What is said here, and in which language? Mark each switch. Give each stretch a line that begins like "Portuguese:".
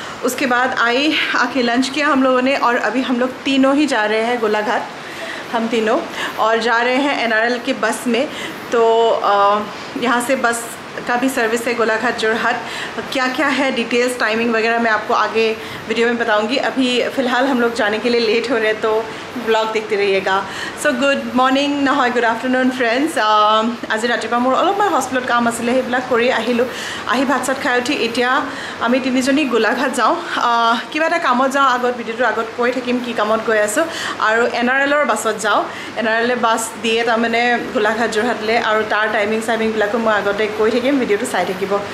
Hindi: उसके बाद आई, आके लंच किया हम लोगों ने, और अभी हम लोग तीनों ही जा रहे हैं गोलाघाट, हम तीनों, और जा रहे हैं NRL के बस में. तो यहाँ से बस का भी सर्विस है गोलाघाट जोरहाट. क्या क्या है डिटेल्स, टाइमिंग वगैरह मैं आपको आगे वीडियो में बताऊंगी. अभी फ़िलहाल हम लोग जाने के लिए लेट हो रहे हैं, तो ब्लॉग देखते रहिएगा.
English: So good morning न हॉय good afternoon friends.
Assamese: आज रातिपुवा मोर অলপ হস্পিটেলত কাম আছিলে, হেবলা কৰি আহিলো, আহি ভাত চাত খাই উঠি এতিয়া আমি তিনিজনী গোলাঘাট যাওঁ. কিবা এটা কামত যাওঁ, আগত ভিডিওটো আগত কৈ থাকিম কি কামত গৈ আছো. আৰু NRLৰ বাছত যাওঁ, NRLৰ বাছ দিয়ে তাৰমানে গোলাঘাট যোৰহাটলৈ, আৰু তাৰ টাইমিং চাইমিংবিলাকো মই আগতে কৈ থাকিম, ভিডিওটো চাই থাকিব.